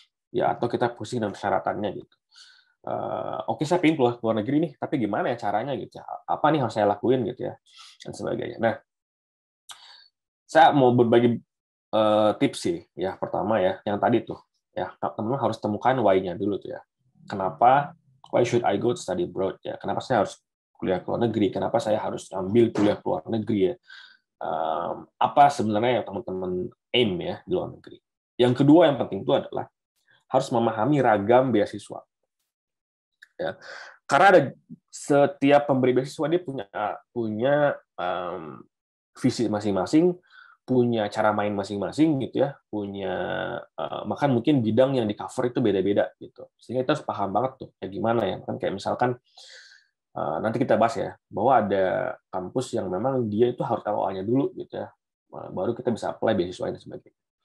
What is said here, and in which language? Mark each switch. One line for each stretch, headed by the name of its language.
Indonesian: Ya atau kita pusing dengan persyaratannya gitu. Oke, saya pengin keluar luar negeri nih, tapi gimana ya caranya gitu ya. Apa nih harus saya lakuin gitu ya dan sebagainya. Nah, saya mau berbagi tips sih ya. Pertama ya, yang tadi tuh ya, teman-teman harus temukan why-nya dulu tuh ya. Kenapa
English: why should I go to study abroad ya?
Indonesian: Kenapa saya harus kuliah ke luar negeri? Kenapa saya harus ambil kuliah ke luar negeri ya? Apa sebenarnya yang teman-teman aim ya di luar negeri? Yang kedua yang penting itu adalah harus memahami ragam beasiswa. Ya. Karena ada setiap pemberi beasiswa dia punya visi masing-masing, punya cara main masing-masing gitu ya, punya makan mungkin bidang yang di cover itu beda-beda gitu, sehingga kita harus paham banget tuh kayak gimana ya kan, kayak misalkan nanti kita bahas ya bahwa ada kampus yang memang dia itu harus LOA-nya dulu gitu ya, baru kita bisa apply beasiswa dan sebagainya.